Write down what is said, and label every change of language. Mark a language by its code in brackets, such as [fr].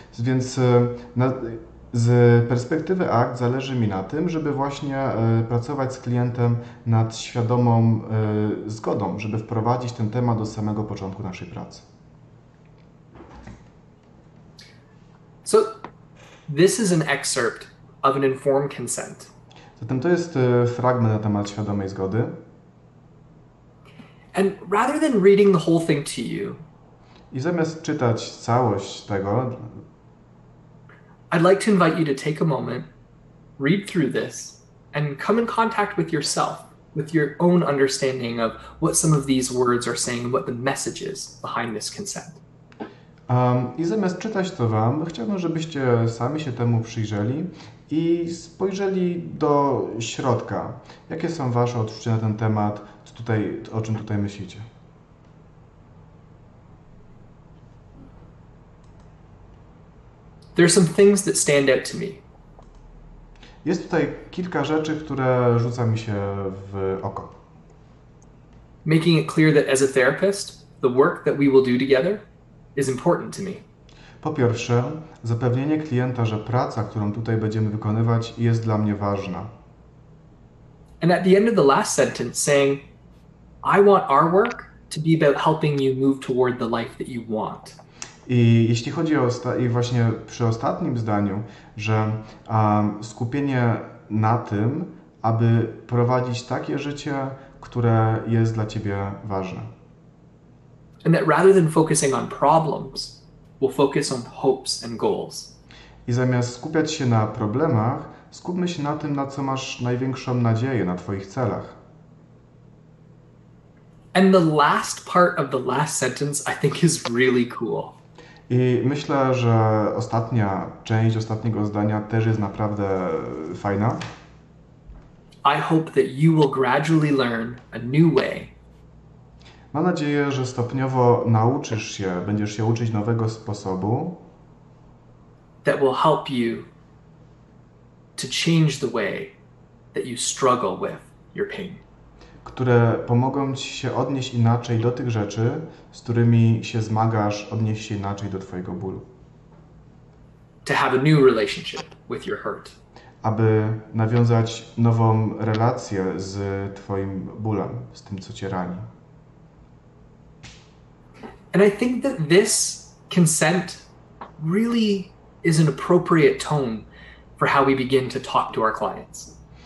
[pl] Więc z perspektywy ACT zależy mi na tym, żeby właśnie pracować z klientem nad świadomą zgodą, żeby wprowadzić ten temat do samego początku naszej pracy. [en] So this is an excerpt of an informed consent. [pl] Zatem to jest fragment na temat świadomej zgody. [en] And rather than reading the whole thing to you, [pl] i zamiast czytać całość tego, [en] I'd like to invite you to take a moment, read through this, and come in contact with yourself, with your own understanding of what some of these words are saying, what the message is behind this consent. [pl] I zamiast czytać to wam, chciałbym, żebyście sami się temu przyjrzeli i spojrzeli do środka. Jakie są wasze odczucia na ten temat, o czym tutaj myślicie? [en] There are some things that stand out to me. [pl] Jest tutaj kilka rzeczy, które rzuca mi się w oko. [en] Making it clear that as a therapist, the work that we will do together is important to me. [pl] Po pierwsze, zapewnienie klienta, że praca, którą tutaj będziemy wykonywać, jest dla mnie ważna. [en] And at the end of the last sentence saying, I want our work to be about helping you move toward the life that you want. [pl] I jeśli chodzi o i właśnie przy ostatnim zdaniu, że skupienie na tym, aby prowadzić takie życie, które jest dla ciebie ważne. [en] And that rather than focusing on problems, we'll focus on hopes and goals. [pl] I zamiast skupiać się na problemach, skupmy się na tym, na co masz największą nadzieję, na twoich celach. [en] And the last part of the last sentence I think is really cool. [pl] I myślę, że ostatnia część ostatniego zdania też jest naprawdę fajna. [en] I hope that you will gradually learn a new way. [pl] Mam nadzieję, że stopniowo nauczysz się, będziesz się uczyć nowego sposobu. [en] That will help you to change the way that you struggle with your pain. [pl] Które pomogą ci się odnieść inaczej do tych rzeczy, z którymi się zmagasz, odnieść się inaczej do twojego bólu. [en] To have a new relationship with your hurt. [pl] Aby nawiązać nową relację z twoim bólem, z tym, co cię rani. [en] And I think that this consent really is an appropriate tone for how we begin to talk to our clients.